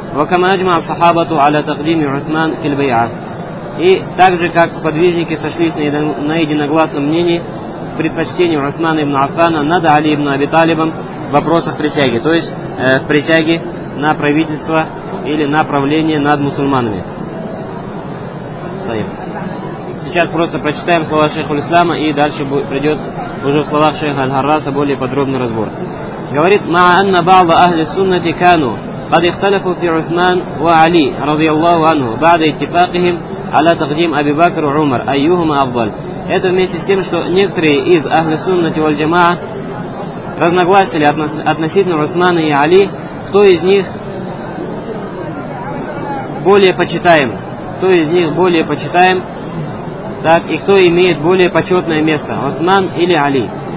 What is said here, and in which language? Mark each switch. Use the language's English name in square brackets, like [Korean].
[Arabic] «Вакама аджма ас-сахабату аля тақдими Усман фил байа». [Russian] И так же, как сподвижники сошлись на единогласном мнении в предпочтении Усмана ибн Аффана над Али ибн Аби Талибом в вопросах присяги, то есть в присяге на правительство или на правление над мусульманами. Сейчас просто прочитаем слова шейха Ислама, и дальше придет уже в словах шейха Аль-Харраса более подробный разбор. Говорит: [Arabic] «Ма анна ба'ла ахли суннати кану قد اختلفوا في عثمان وعلي رضي الله عنه بعد اتفاقهم على تقديم أبي بكر وعمر أيهما أفضل». [Russian] Это вместе с тем, что некоторые из Ахли Суннати валь Джамаа разногласили относительно Усмана и Али, кто из них более почитаем, кто из них более почитаем, так, и кто имеет более почетное место, Усман или Али.